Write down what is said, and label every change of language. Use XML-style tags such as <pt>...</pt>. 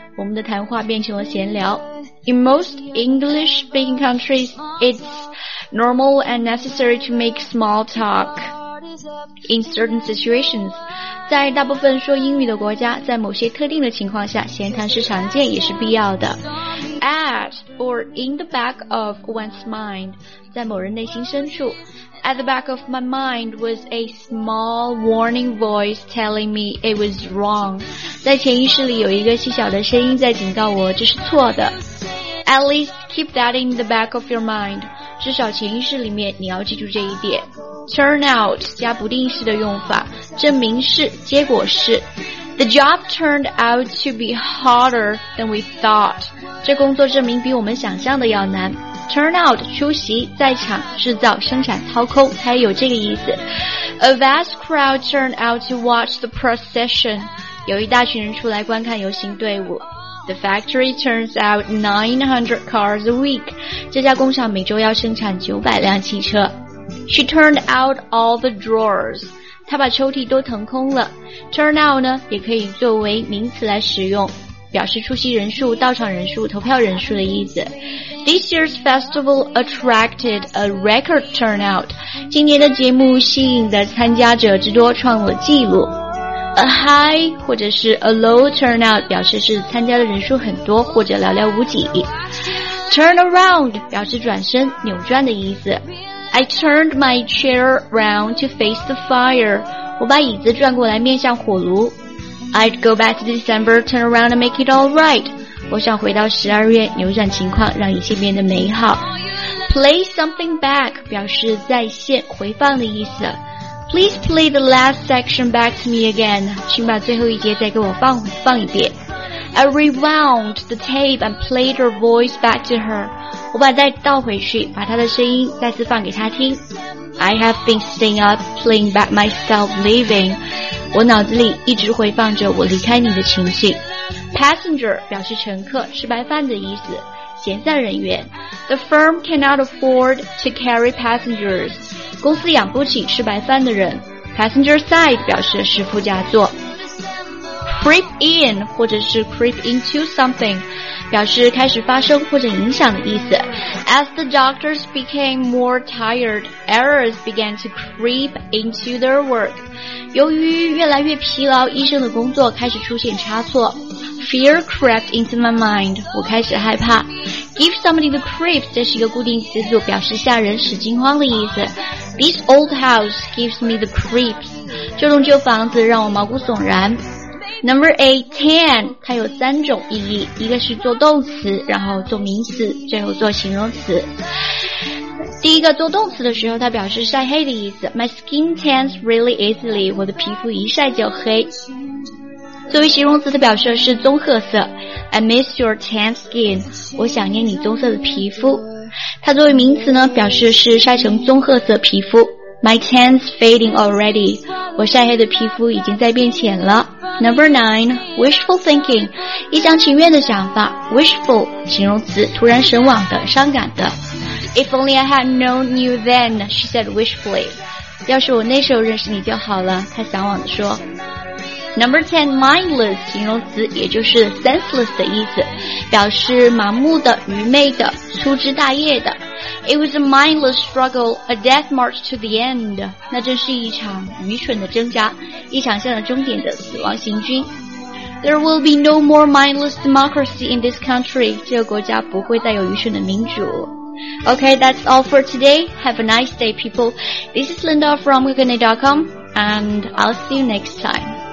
<zh>我们的谈话变成了闲聊。</zh> <en>In most English-speaking countries, it's normal and necessary to make small talk in certain situations.</en> <zh>在大部分说英语的国家，在某些特定的情况下，闲谈是常见也是必要的。</zh> <en>At or in the back of one's mind,</en> <zh>在某人内心深处。</zh> <en>At the back of my mind was a small warning voice telling me it was wrong.</en> <zh>在潜意识里有一个细小的声音在警告我这是错的。</zh> <en>At least keep that in the back of your mind.</en> <zh>至少潜意识里面你要记住这一点。 Turn out 加不定式的用法，证明是，结果是。</zh> <en>The job turned out to be harder than we thought.</en> <zh>这工作证明比我们想象的要难。 Turn out, 出席,在场,制造,生产,掏空,它也有这个意思。</zh> <en>A vast crowd turned out to watch the procession.</en> <zh>有一大群人出来观看游行队伍。</zh> <en>The factory turns out 900 cars a week.</en> <zh>这家工厂每周要生产900辆汽车。</zh> <en>She turned out all the drawers.</en> <zh>她把抽屉都腾空了。 Turn out 呢,也可以作为名词来使用。表示出席人数、到场人数、投票人数的意思。</zh> <en>This year's festival attracted a record turnout.</en> <zh>今年的节目吸引的参加者之多创了纪录。 A high 或者是 a low turnout 表示是参加的人数很多或者寥寥无几。 Turn around 表示转身、扭转的意思。</zh> <en>I turned my chair round to face the fire.</en> <zh>我把椅子转过来面向火炉。</zh> <en>I'd go back to December, turn around and make it all right.</en> <zh>我想回到十二月，扭转情况，让一切变得美好。 Play something back 表示再现、回放的意思。</zh> <en>Please play the last section back to me again.</en> <zh>请把最后一节再给我放一遍。</zh> <en>I rewound the tape and played her voice back to her.</en> <zh>我把再倒回去，把她的声音再次放给她听。</zh> <en>I have been staying up, playing back myself leaving.</en> <zh>我脑子里一直回放着我离开你的情形。 Passenger 表示乘客，吃白饭的意思，闲散人员。</zh> <en>The firm cannot afford to carry passengers.</en> <zh>公司养不起吃白饭的人。 Passenger side 表示是副驾座。Creep in 或者是 creep into something 表示开始发生或者影响的意思。</zh> <en>As the doctors became more tired, errors began to creep into their work.</en> <zh>由于越来越疲劳，医生的工作开始出现差错。</zh> <en>Fear crept into my mind.</en> <zh>我开始害怕。</zh> <en>Give somebody the creeps,</en> <zh>这是一个固定词组，表示吓人、使惊慌的意思。</zh> <en>This old house gives me the creeps.</en> <zh>这栋旧房子让我毛骨悚然。Number 8, 10, 它有三种意义，一个是做动词，然后做名词，最后做形容词。第一个做动词的时候，它表示晒黑的意思。</zh> <en>My skin tans really easily,</en> <zh>我的皮肤一晒就黑。作为形容词，它表示是棕褐色。</zh> <en>I miss your tan skin,</en> <zh>我想念你棕色的皮肤。它作为名词呢，表示是晒成棕褐色皮肤。</zh> <en>My tan's fading already,</en> <zh>我晒黑的皮肤已经在变浅了。 Number 9, wishful thinking, 一厢情愿的想法。 Wishful, 形容词，突然神往的，伤感的。</zh> <en>If only I had known you then, she said wishfully.</en> <zh>要是我那时候认识你就好了，她向往的说。 Number 10, mindless, 形容词，也就是 senseless 的意思，表示麻木的、愚昧的、粗枝大叶的。</zh> <en>It was a mindless struggle, a death march to the end.</en> <zh>那真是一场愚蠢的挣扎，一场向着终点的死亡行军。</zh> <en>There will be no more mindless democracy in this country.</en> <zh>这个国家不会再有愚蠢的民主。</zh> <en>Okay, that's all for today. Have a nice day, people. This is Linda from Wikinet.com, and I'll see you next time.</en>